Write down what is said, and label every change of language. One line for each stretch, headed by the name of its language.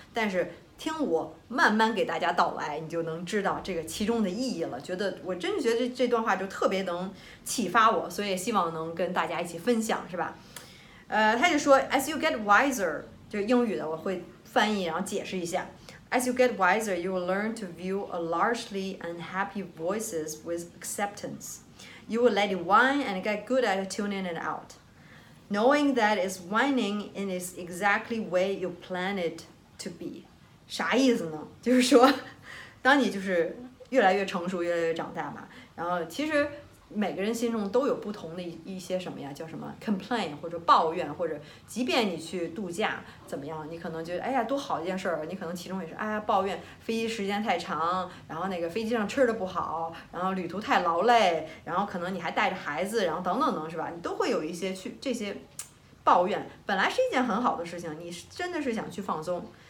Chinese: 但是听我慢慢给大家道来，你就能知道这个其中的意义了。觉得我真觉得这段话就特别能启发我，所以希望能跟大家一起分享是吧。他就说
English: as you get wiser，
Chinese: 就英语的我会翻译然后解释一下。
English: As you get wiser, you will learn to view a largely unhappy voices with acceptance. You will let it whine and get good at tuning it out. Knowing that it's whining in its exactly way you plan it to be.
Chinese: 啥意思呢？就是说当你就是越来越成熟越来越长大嘛，然后其实每个人心中都有不同的一些什么呀，叫什么 complain 或者抱怨，或者即便你去度假怎么样，你可能觉得哎呀多好一件事儿，你可能其中也是哎呀抱怨飞机时间太长，然后那个飞机上吃的不好，然后旅途太劳累，然后可能你还带着孩子，然后等等等是吧，你都会有一些去这些抱怨，本来是一件很好的事情，你真的是想去放松，